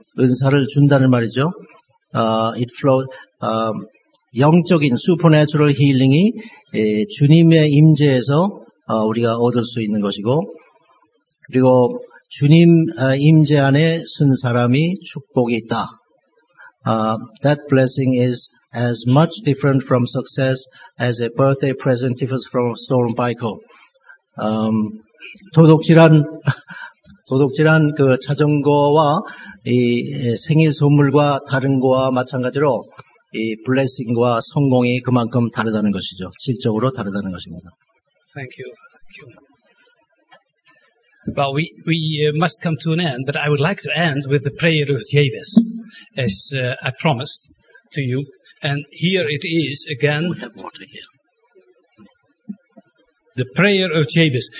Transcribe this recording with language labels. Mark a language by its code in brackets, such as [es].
[ko] 은사를 준다는 말이죠. [en] It flows. [ko] 영적인 supernatural healing이 주님의 임재에서 우리가 얻을 수 있는 것이고, 그리고 주님 임재 안에 선 사람이 축복이 있다. [en] That blessing is as much different from success as a birthday present differs from a stolen bicycle. [ko] 도둑질한 그 자전거와 이 생일 선물과 다른 거와 마찬가지로 이 블레싱과 성공이 그만큼 다르다는 것이죠. 질적으로 다르다는 것입니다. [en] Thank you. Well, we must come to an end, but I would like to end with the prayer of Jabez, as I promised to you. And here it is again. We have water here. The prayer of Jabez.